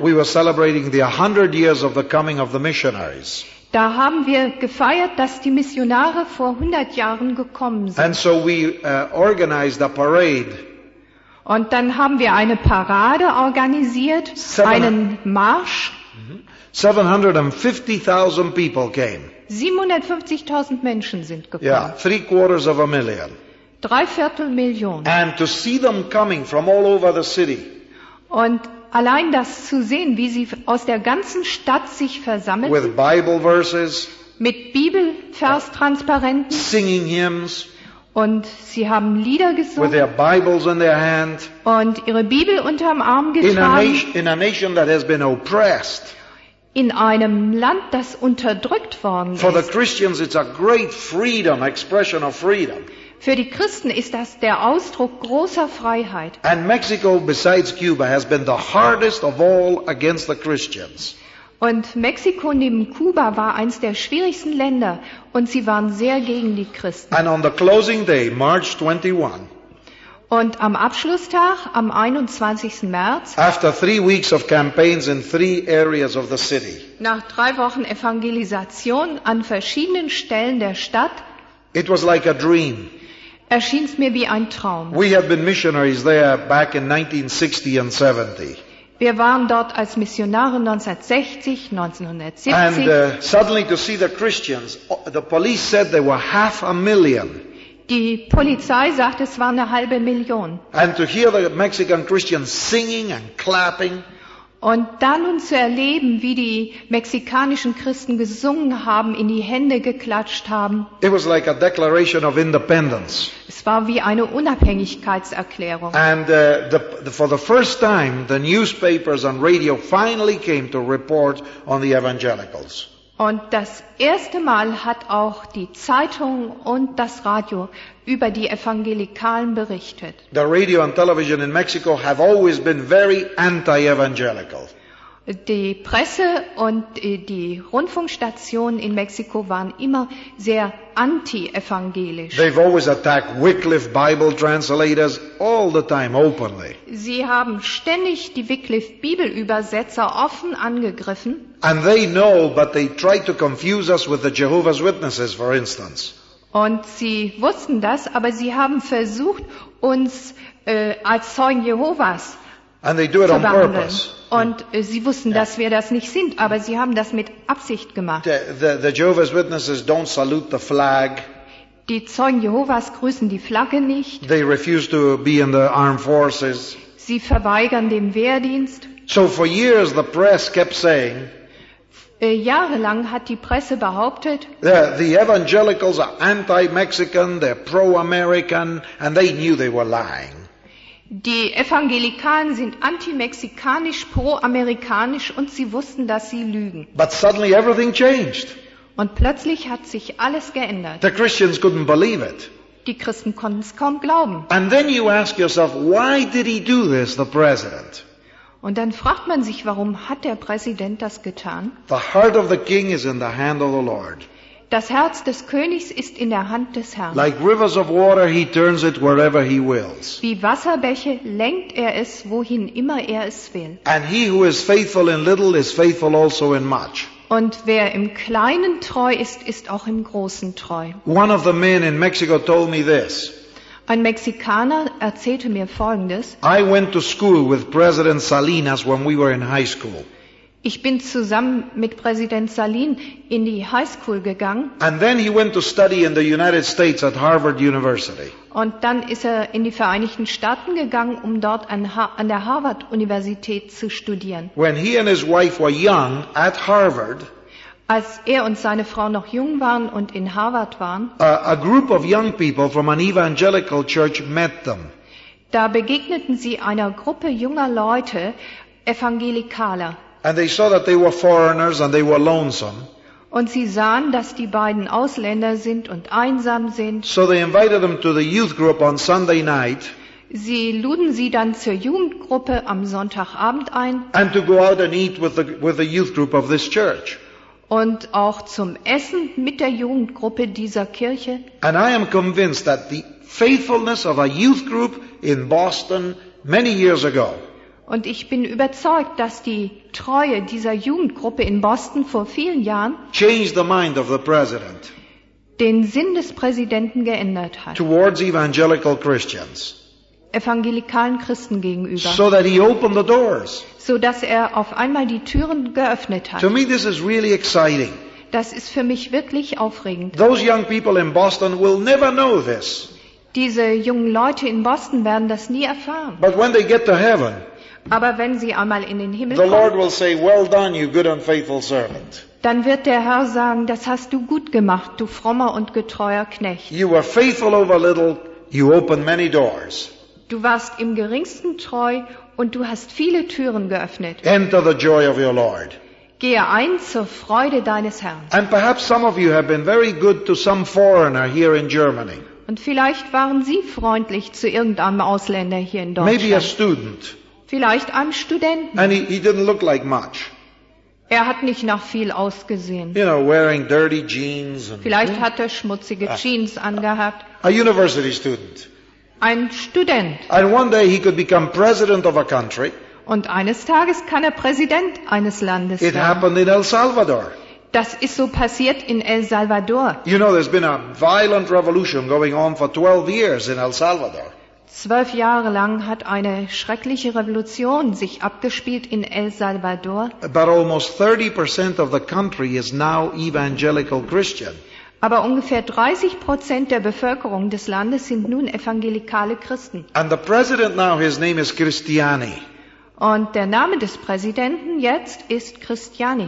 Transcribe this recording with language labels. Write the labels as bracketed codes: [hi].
[en] We were celebrating the 100 years of the coming of the missionaries. [de] Da haben wir gefeiert, dass die Missionare vor 100 Jahren gekommen sind. [en] And so we organized a parade. [de] Und dann haben wir eine Parade organisiert, einen Marsch. [en] 750,000 people came. [de] 750,000 Menschen sind gekommen. [en] Yeah, 750,000. [de] 750,000. [en] And to see them coming from all over the city. [de] Und allein das zu sehen, wie sie aus der ganzen Stadt sich versammeln, [en] with Bible verses, [de] mit Bibelvers-Transparenten, [en] singing hymns, [de] und sie haben Lieder gesungen, [en] with their Bibles in their hand, [de] und ihre Bibel unterm Arm getragen, [en] in a nation that has been oppressed, [de] in einem Land, das unterdrückt worden ist. [en] For the Christians, it's a great freedom, expression of freedom. [de] Für die Christen ist das der Ausdruck großer Freiheit. [en] And Mexico, besides Cuba, has been the hardest of all against the Christians. [de] Und Mexiko neben Kuba war eins der schwierigsten Länder und sie waren sehr gegen die Christen. [en] And on the closing day, March 21. [de] Und am Abschlusstag, am 21. März, [en] after 3 weeks of campaigns in 3 areas of the city, [de] nach 3 Wochen Evangelisation an verschiedenen Stellen der Stadt, [en] it was like a dream. [de] Erschien es mir wie ein Traum. [en] We had been missionaries there back in 1960 and 70. [de] Wir waren dort als Missionare 1960, 1970. [en] And suddenly to see the Christians, the police said they were 500,000. [de] Die Polizei sagt, es war 500,000. [en] And to hear the Mexican Christians singing and clapping. [de] Und dann nun zu erleben, wie die mexikanischen Christen gesungen haben, in die Hände geklatscht haben. [en] It was like a declaration of independence. [de] Es war wie eine Unabhängigkeitserklärung. [en] And for the first time, the newspapers and radio finally came to report on the evangelicals. [de] Und das erste Mal hat auch die Zeitung und das Radio über die Evangelikalen berichtet. [en] The radio and television in Mexico have always been very anti-evangelical. [de] Die Presse und die Rundfunkstationen in Mexiko waren immer sehr anti-evangelisch. [en] They've always attacked Wycliffe Bible translators all the time openly. [de] Sie haben ständig die Wycliffe Bibelübersetzer offen angegriffen. [en] And they know, but they try to confuse us with the Jehovah's Witnesses, for instance. [de] Und sie wussten das, aber sie haben versucht, uns als Zeugen Jehovas [en] and they do it on purpose. [de] Und sie wussten, dass wir das nicht sind, aber sie haben das mit Absicht gemacht. [en] The Jehovah's Witnesses don't salute the flag. [de] Die Zeugen Jehovas grüßen die Flagge nicht. [en] They refuse to be in the armed forces. [de] Sie verweigern den Wehrdienst. [en] So for years the press kept saying, [de] jahrelang hat die Presse behauptet, [en] the evangelicals are anti-Mexican, they're pro-American, and they knew they were lying. [de] Die Evangelikalen sind anti-mexikanisch, pro-amerikanisch und sie wussten, dass sie lügen. [en] But suddenly everything changed. [de] Und plötzlich hat sich alles geändert. [en] The Christians couldn't believe it. [de] Die Christen konnten es kaum glauben. [en] And then you ask yourself, why did he do this, the president? [de] Und dann fragt man sich, warum hat der Präsident das getan? [en] The heart of the king is in the hand of the Lord. [de] Das Herz des Königs ist in der Hand des Herrn. [en] Like rivers of water, he turns it wherever he wills. [de] Wie Wasserbäche lenkt er es, wohin immer er es will. [en] And he who is faithful in little is faithful also in much. [de] Und wer im Kleinen treu ist, ist auch im Großen treu. [en] One of the men in Mexico told me this. [de] Ein Mexikaner erzählte mir Folgendes. [en] I went to school with President Salinas when we were in high school. [de] Ich bin zusammen mit Präsident Salin in die High School gegangen. [en] And then he went to study in the United States at Harvard University. [de] Und dann ist er in die Vereinigten Staaten gegangen, um dort an der Harvard Universität zu studieren. [en] When he and his wife were young at Harvard, [de] als er und seine Frau noch jung waren und in Harvard waren, [en] a group of young people from an evangelical church met them. [de] Da begegneten sie einer Gruppe junger Leute, Evangelikaler. [en] And they saw that they were foreigners and they were lonesome. [de] Und sie sahen, dass die beiden Ausländer sind und einsam sind. [en] So they invited them to the youth group on Sunday night. [de] Sie luden sie dann zur Jugendgruppe am Sonntagabend ein. [en] And to go out and eat with the youth group of this church. [de] Und auch zum Essen mit der Jugendgruppe dieser Kirche. [en] And I am convinced that the faithfulness of a youth group in Boston many years ago. [de] Und ich bin überzeugt, dass die Treue dieser Jugendgruppe in Boston vor vielen Jahren [en] changed the mind of the president. [de] Den Sinn des Präsidenten geändert hat. [en] Towards evangelical Christians. [de] Evangelikalen Christen gegenüber. [en] So that he opened the doors. [de] So dass er auf einmal die Türen geöffnet hat. [en] To me this is really exciting. [de] Das ist für mich wirklich aufregend. [en] Those young people in Boston will never know this. [de] Diese jungen Leute in Boston werden das nie erfahren. [en] But when they get to heaven, [de] aber wenn sie einmal in den Himmel [en] the [de] kommen, [en] Lord will say, well done, you good and faithful servant. [de] Dann wird der Herr sagen, das hast du gut gemacht, du frommer und getreuer Knecht. [en] You were faithful over little, you opened many doors. [de] Du warst im Geringsten treu und du hast viele Türen geöffnet. [en] Enter the joy of your Lord. [de] Gehe ein zur Freude deines Herrn. [en] And perhaps some of you have been very good to some foreigner here in Germany. [de] Und vielleicht waren Sie freundlich zu irgendeinem Ausländer hier in Deutschland. [en] Maybe a student. [de] Vielleicht einem Studenten. [en] And he didn't look like much. [de] Er hat nicht nach viel ausgesehen. [en] You know, wearing dirty jeans and [de] vielleicht hat er schmutzige Jeans angehabt. [en] A university student. [de] Ein Student. [en] And one day he could become president of a country. [de] Und eines Tages kann er Präsident eines Landes sein. [en] It happened in El Salvador. [de] Das ist so passiert in El Salvador. [en] You know, there's been a violent revolution going on for 12 years in El Salvador. [de] 12 Jahre lang hat eine schreckliche Revolution sich abgespielt in El Salvador. [en] But almost 30% of the country is now evangelical Christian. [de] Aber ungefähr 30% der Bevölkerung des Landes sind nun evangelikale Christen. [en] And the president now, his name is Cristiani. [de] Und der Name des Präsidenten jetzt ist Cristiani.